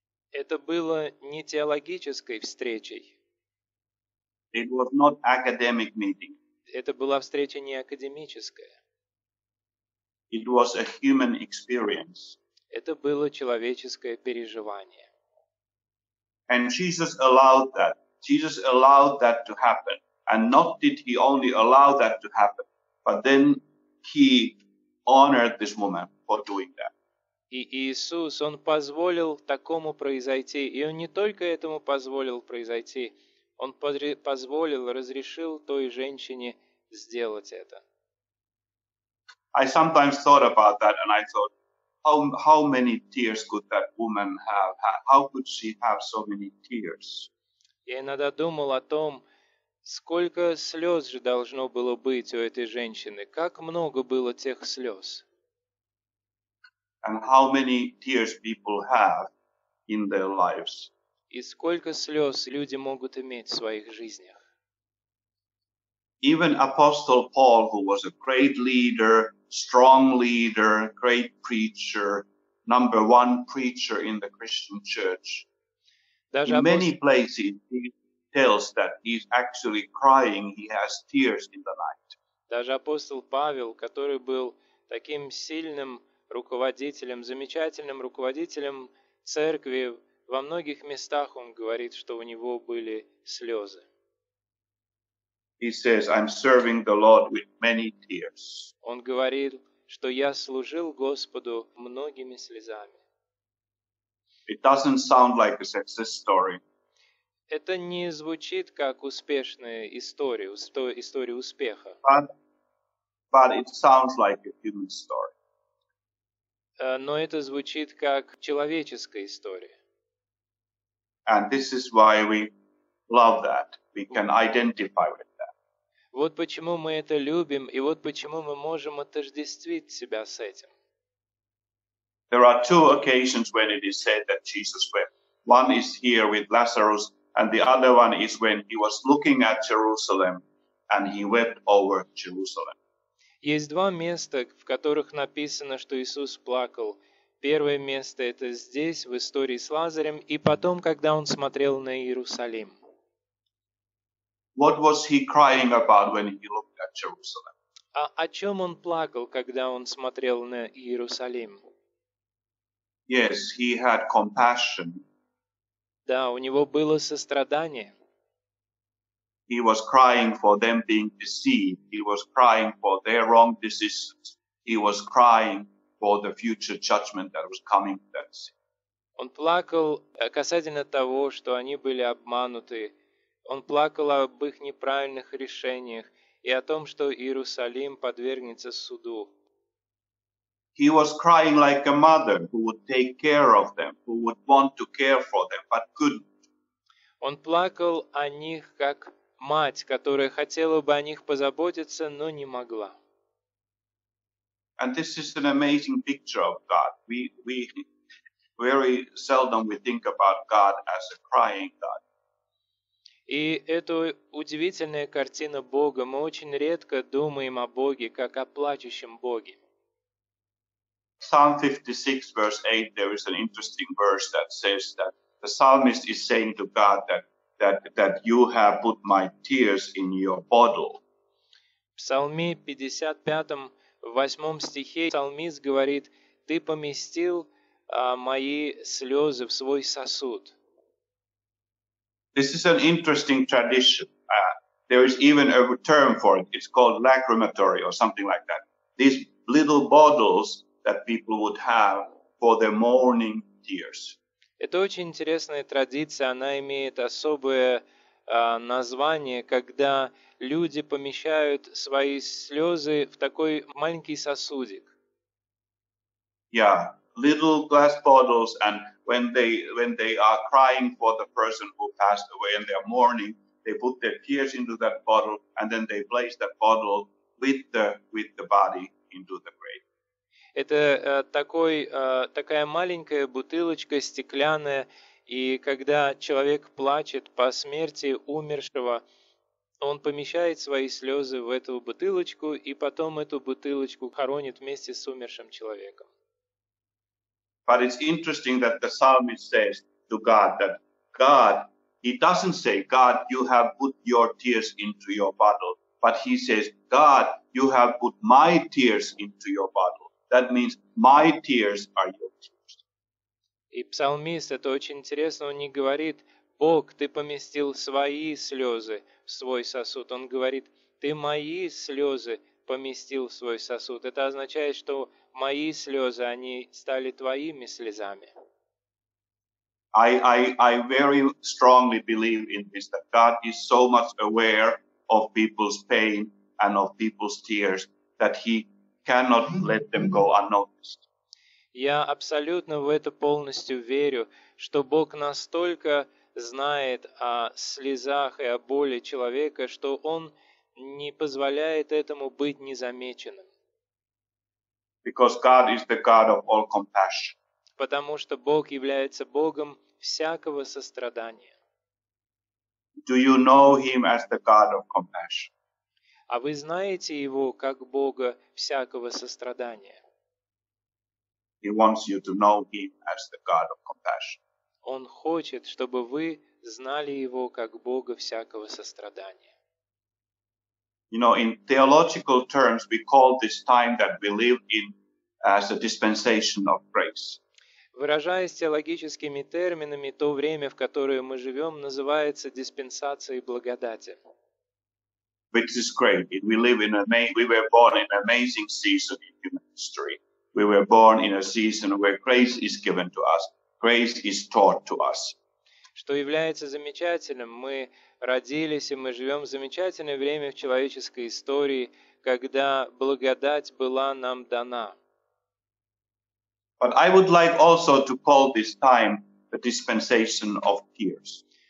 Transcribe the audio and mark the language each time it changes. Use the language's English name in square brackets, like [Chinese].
[Russian] Это было не теологической встречей. [English] It was not academic meeting. [Russian] Это была встреча не академическая. [English] It was a human experience. [Russian] Это было человеческое переживание. [English] And Jesus allowed that. Jesus allowed that to happen. And not did he only allow that to happen, but then he honored this woman for doing that. [Russian] И Иисус, он позволил такому произойти, и он не только этому позволил произойти, он позволил, разрешил той женщине сделать это. [English] I sometimes thought about that, and I thought, how many tears could that woman have had? How could she have so many tears? [Russian] Я иногда думал о том, сколько слез же должно было быть у этой женщины, как много было тех слез. [English] And how many tears people have in their lives? [Russian] И сколько слез люди могут иметь в своих жизнях? [English] Even apostle Paul, who was a great leader, strong leader, great preacher, number one preacher in the Christian church. [Russian] Даже [English] in many places he tells that he's actually crying, he has tears in the night. [Russian] Даже апостол Павел, который был таким сильным руководителем, замечательным руководителем церкви, во многих местах он говорит, что у него были слезы. [English] He says, I'm serving the Lord with many tears. [Russian] Он говорит, что я служил Господу многими слезами. [English] It doesn't sound like a success story. [Russian] Это не звучит как успешная история, история успеха. [English] But it sounds like a human story. [Russian] Но это звучит как человеческая история. [English] And this is why we love that. We can identify with. [Russian] Вот почему мы это любим, и вот почему мы можем отождествить себя с этим. [English] There are two occasions when it is said that Jesus wept. One is here with Lazarus, and the other one is when he was looking at Jerusalem, and he wept over Jerusalem. [Russian] Есть два места, в которых написано, что Иисус плакал. Первое место – это здесь, в истории с Лазарем, и потом, когда он смотрел на Иерусалим. [English] What was he crying about when he looked at Jerusalem? [Russian] О чем он плакал, когда он смотрел на Иерусалим? [English] Yes, he had compassion. [Russian] Да, у него было сострадание. [English] He was crying for them being deceived. He was crying for their wrong decisions. He was crying for the future judgment that was coming to that city. [Russian] Он плакал касательно того, что они были обмануты. Он плакал об их неправильных решениях и о том, что Иерусалим подвергнется суду. [English] He was crying like a mother who would take care of them, who would want to care for them, but couldn't. [Russian] Он плакал о них как мать, которая хотела бы о них позаботиться, но не могла. [English] And this is an amazing picture of God. We very seldom we think about God as a crying God. [Russian] И это удивительная картина Бога. Мы очень редко думаем о Боге, как о плачущем Боге. [English] Psalm 56, verse 8, there is an interesting verse that says that the psalmist is saying to God that you have put my tears in your bottle. [Russian] В Псалме 55, 8 стихе псалмист говорит, ты поместил мои слезы в свой сосуд. [English] This is an interesting tradition. There is even a term for it. It's called lacrimatory or something like that. These little bottles that people would have for their mourning tears. [Russian] Это очень интересная традиция. Она имеет особое название, когда люди помещают свои слезы в такой маленький сосудик. [English] Yeah, little glass bottles and when they are crying for the person who passed away and they are mourning, they put their tears into that bottle and then they place that bottle with the body into the grave. [Russian] Это такая маленькая бутылочка стеклянная, и когда человек плачет по смерти умершего, он помещает свои слезы в эту бутылочку и потом эту бутылочку хоронит вместе с умершим человеком. [English] But it's interesting that the psalmist says to God that God, he doesn't say, God, you have put your tears into your bottle. But he says, God, you have put my tears into your bottle. That means my tears are your tears. [Russian] И псалмист, это очень интересно, он не говорит, Бог, ты поместил свои слезы в свой сосуд. Он говорит, ты мои слезы поместил в свой сосуд. Это означает, что мои слезы, они стали твоими слезами. [English] I very strongly believe in this, that God is so much aware of people's pain and of people's tears that he cannot let them go unnoticed. [Russian] Я абсолютно в это полностью верю, что Бог настолько знает о слезах и о боли человека, что он не позволяет этому быть незамеченным. [English] Because God is the God of all compassion. [Russian] Потому что Бог является Богом всякого сострадания. [English] Do you know him as the God of compassion? [Russian] А вы знаете его как Бога всякого сострадания? [English] He wants you to know him as the God of compassion. [Russian] Он хочет, чтобы вы знали его как Бога всякого сострадания. [English] You know, in theological terms, we call this time that we live in as a dispensation of grace. [Russian] Выражаясь теологическими терминами, то время, в которое мы живем, называется диспенсацией благодати. [English] which is great. We live in we were born in an amazing season in human history. We were born in a season where grace is given to us. Grace is taught to us. [Russian] Что является замечательным, мы родились и мы живем в замечательное время в человеческой истории, когда благодать была нам дана. [English] But I would like also to call this time the dispensation of tears.